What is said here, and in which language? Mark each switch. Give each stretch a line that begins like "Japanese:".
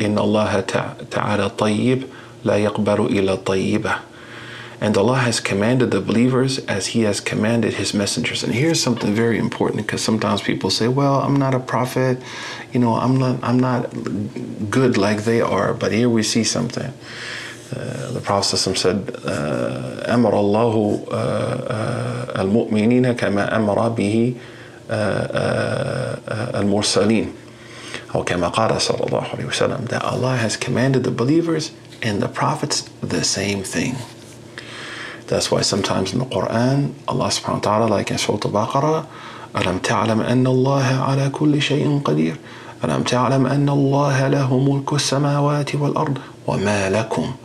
English: In Allah ta'ala tayyib la yaqbalu illa tayyiba. And Allah has commanded the believers as he has commanded his messengers. And here's something very important, because sometimes people say, well, I'm not a prophet. You know, I'm not good like they are. But here we see something. The Prophet said,
Arabic: أمر الله المؤمنين كما أمر به المرسلين. أو كما قال صلى الله عليه وسلم.
English: That Allah has commanded the believers and the prophets the same thing. That's why sometimes in the Quran, Allah subhanahu wa ta'ala, like in Surah Al-Baqarah,
Arabic: أَلَمْ تَعْلَمْ أَنَّ اللَّهَ عَلَى كُلِّ شَيْءٍ قَدِيرٌ أَلَمْ تَعْلَمْ أَنَّ اللَّهَ لَهُ مُلْكُ السَّمَاوَاتِ وَالْأَرْضِ وَمَا لَكُمْ.